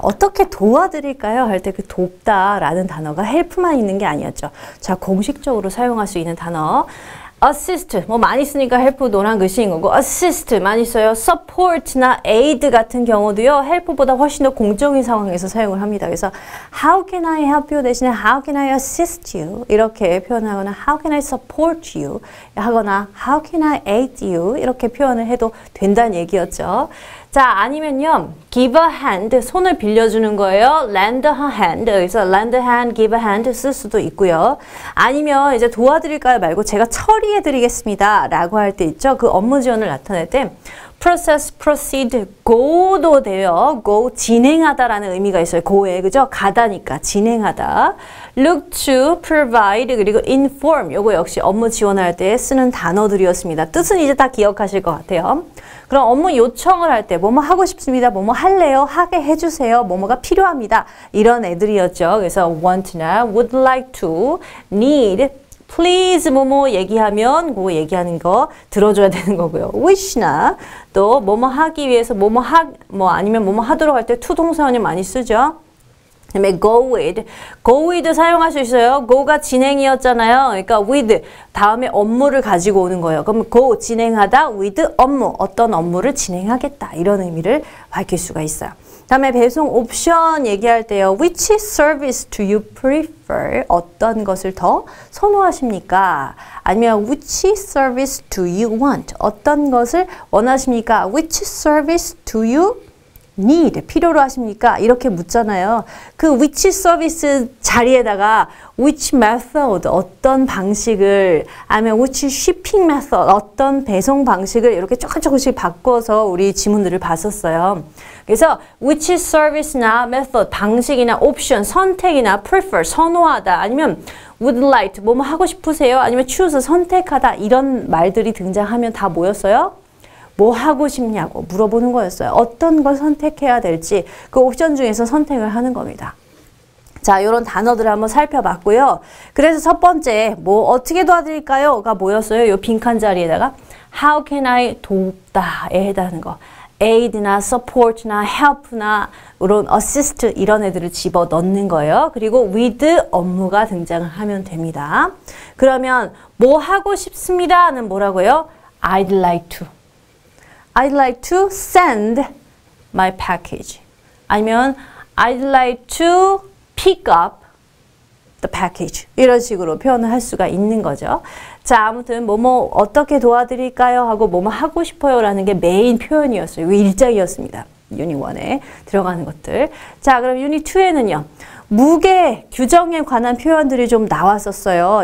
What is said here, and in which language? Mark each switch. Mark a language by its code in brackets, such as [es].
[ko] 어떻게 도와드릴까요? 할 때 그 돕다라는 단어가 help만 있는 게 아니었죠. 자, 공식적으로 사용할 수 있는 단어. assist, 뭐 많이 쓰니까 help 노란 글씨인 거고 assist 많이 써요. support나 aid 같은 경우도요. help보다 훨씬 더 공적인 상황에서 사용을 합니다. 그래서 [en] how can I help you [ko] 대신에 [en] how can I assist you [ko] 이렇게 표현하거나 [en] how can I support you [ko] 하거나 [en] how can I aid you [ko] 이렇게 표현을 해도 된다는 얘기였죠. 자, 아니면요. [en] give a hand, [ko] 손을 빌려주는 거예요. [en] lend a hand, [ko] 그래서 [en] lend a hand, give a hand [ko] 쓸 수도 있고요. 아니면 이제 도와드릴까요? 말고 제가 처리해드리겠습니다. 라고 할 때 있죠. 그 업무 지원을 나타낼 때 process, proceed, go도 돼요. go, 진행하다라는 의미가 있어요. go에, 그죠? 가다니까, 진행하다. [en] look to, provide, 그리고 inform. [ko] 요거 역시 업무 지원할 때 쓰는 단어들이었습니다. 뜻은 이제 다 기억하실 것 같아요. 그럼 업무 요청을 할 때 뭐뭐 하고 싶습니다. 뭐뭐 할래요. 하게 해주세요. 뭐뭐가 필요합니다. 이런 애들이었죠. 그래서 want나 would like to, need, please 뭐뭐 얘기하면 그 얘기하는 거 들어줘야 되는 거고요. wish나 또 뭐뭐 하기 위해서 뭐뭐 하, 뭐 아니면 뭐뭐 하도록 할 때 to 동사원이 많이 쓰죠. 그다음에 go with. go with 사용할 수 있어요. go가 진행이었잖아요. 그러니까 with 다음에 업무를 가지고 오는 거예요. 그럼 go 진행하다 with 업무. 어떤 업무를 진행하겠다. 이런 의미를 밝힐 수가 있어요. 다음에 배송 옵션 얘기할 때요. [en] which service do you prefer? [ko] 어떤 것을 더 선호하십니까? [en] 아니면 which service do you want? [ko] 어떤 것을 원하십니까? [en] which service do you need, [ko] 필요로 하십니까? 이렇게 묻잖아요. 그 which service 자리에다가 which method, 어떤 방식을, 아니면 which shipping method, 어떤 배송 방식을 이렇게 조금씩 바꿔서 우리 지문들을 봤었어요. 그래서 which service나 method, 방식이나 option, 선택이나 prefer, 선호하다, 아니면 would like, 뭐뭐 하고 싶으세요? 아니면 choose, 선택하다, 이런 말들이 등장하면 다 뭐였어요? 뭐 하고 싶냐고 물어보는 거였어요. 어떤 걸 선택해야 될지 그 옵션 중에서 선택을 하는 겁니다. 자, 이런 단어들을 한번 살펴봤고요. 그래서 첫 번째, 뭐 어떻게 도와드릴까요? 가 뭐였어요? 이 빈칸 자리에다가 How can I 돕다에 해당하는 거 aid나 support나 help나 이런 assist 이런 애들을 집어 넣는 거예요. 그리고 with 업무가 등장을 하면 됩니다. 그러면 뭐 하고 싶습니다는 뭐라고요? [en] I'd like to. I'd like to send my package. 아니면 I'd like to pick up the package. [ko] 이런 식으로 표현을 할 수가 있는 거죠. 자, 아무튼 뭐뭐 어떻게 도와드릴까요? 하고 뭐뭐 하고 싶어요라는 게 메인 표현이었어요. 일장이었습니다. 유닛 1에 들어가는 것들. 자, 그럼 유닛 2에는요. 무게 규정에 관한 표현들이 좀 나왔었어요.